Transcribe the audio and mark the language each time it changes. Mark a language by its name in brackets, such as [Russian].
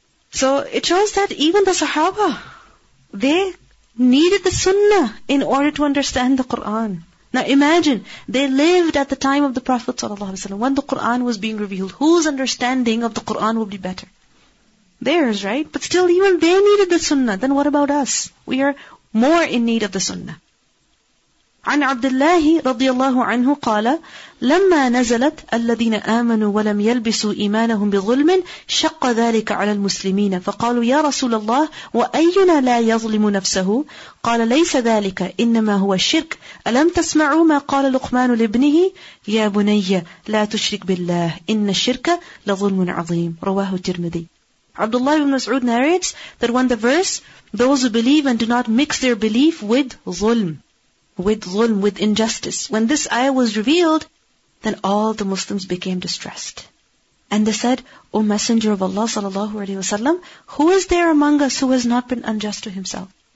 [English] So it shows that even the Sahaba, they needed the Sunnah in order to understand the Quran. Now imagine, they lived at the time of the Prophet ﷺ, when the Quran was being revealed. Whose understanding of the Quran would be better? Theirs, right? But still, even they needed the Sunnah. Then what about us? We are more in need of the Sunnah. [Arabic] عن عبد الله رضي الله عنه قال لما نزلت الذين آمنوا ولم يلبسوا إيمانهم بظلم شق ذلك على المسلمين فقالوا يا رسول الله وأينا لا يظلم نفسه قال ليس ذلك إنما هو الشرك ألم تسمعوا ما قال لقمان لابنه يا بني لا تشرك بالله إن الشرك لظلم عظيم رواه الترمذي. [English] عبد الله بن مسعود narrates that when the verse those who believe and do not mix their belief with ظلم, with zulm, with injustice. When this ayah was revealed, then all the Muslims became distressed. And they said, O Messenger of Allah sallallahu alayhi wa sallam, who is there among us who has not been unjust to himself?